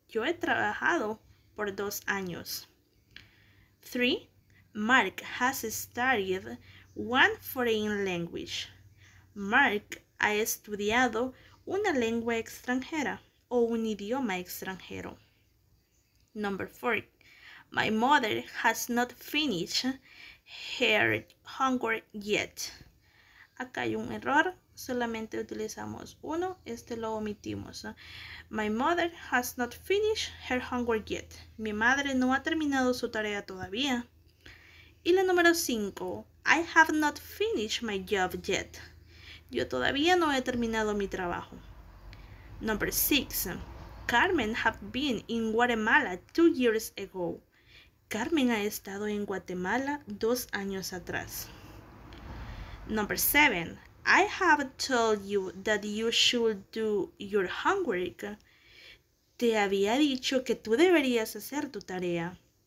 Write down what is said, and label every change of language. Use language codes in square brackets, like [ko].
[es] Yo he trabajado por 2 años. 3. [en] Mark has studied one foreign language. [es] Mark ha estudiado una lengua extranjera o un idioma extranjero. [en] Number 4. My mother has not finished her homework yet. [es] Acá hay un error, solamente utilizamos uno, este lo omitimos. [en] My mother has not finished her homework yet. [es] Mi madre no ha terminado su tarea todavía. Y la número 5, [en] I have not finished my job yet. [es] Yo todavía no he terminado mi trabajo. [en] Number 6, Carmen have been in Guatemala 2 years ago. [es] Carmen ha estado en Guatemala 2 años atrás. [en] Number 7, I have told you that you should do your homework. [es] Te había dicho que tú deberías hacer tu tarea.